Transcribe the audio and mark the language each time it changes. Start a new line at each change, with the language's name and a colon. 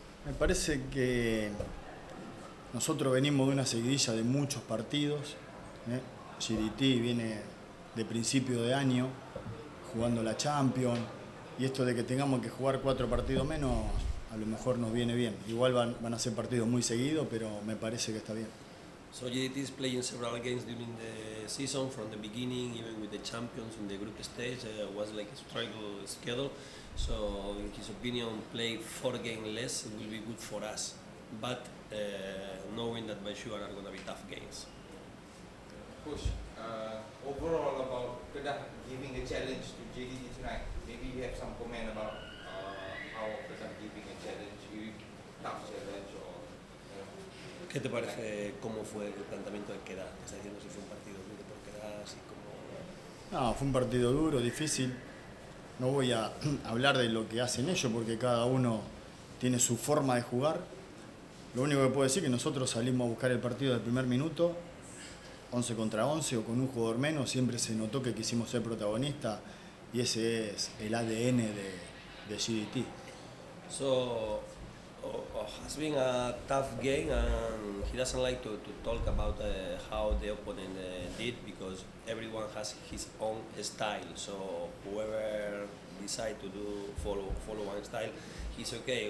Spanish: Me parece que nosotros venimos de una seguidilla de muchos partidos. GDT viene de principio de año jugando la Champions, y esto de que tengamos que jugar 4 partidos menos, a lo mejor nos viene bien. Igual van a ser partidos muy seguidos, pero me parece que está bien.
English: So GDT is playing several games during the season, from the beginning, even with the Champions in the group stage, was like a struggle schedule. So in his opinion, play 4 games less will be good for us. But knowing that by sure are going to be tough games. Push. Overall about Kedah giving a challenge to JDT tonight, maybe you have some comment about how Kedah giving a challenge, tough challenge or...
Spanish: ¿Qué te parece cómo fue el planteamiento de Kedah? ¿Estás diciendo si fue un partido duro por Kedah? Así como... No, fue un partido duro, difícil. No voy a hablar de lo que hacen ellos porque cada uno tiene su forma de jugar. Lo único que puedo decir es que nosotros salimos a buscar el partido del primer minuto, 11 contra 11 o con un jugador menos, siempre se notó que quisimos ser protagonista, y ese es el ADN de GDT.
English: So, has been a tough game, and he doesn't like to talk about how the opponent did, because everyone has his own style. So, whoever decide to do follow one style, he's okay.